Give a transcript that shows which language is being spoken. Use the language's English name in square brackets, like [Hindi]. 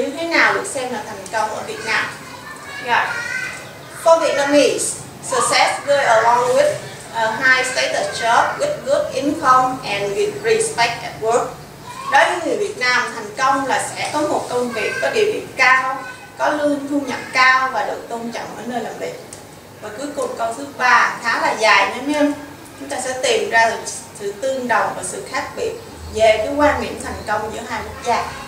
[Vietnamese] nào được xem là thành công ở Việt Nam? Yeah. [English] For Vietnamese, success goes along with a high status job with good income and with respect at work. [Vietnamese] Đối với người Việt Nam, thành công là sẽ có một công việc có địa vị cao, có lương thu nhập cao và được tôn trọng ở nơi làm việc. Và cuối cùng câu thứ ba khá là dài nha mấy em. Chúng ta sẽ tìm ra được sự tương đồng và sự khác biệt về cái quan niệm thành công giữa hai quốc gia.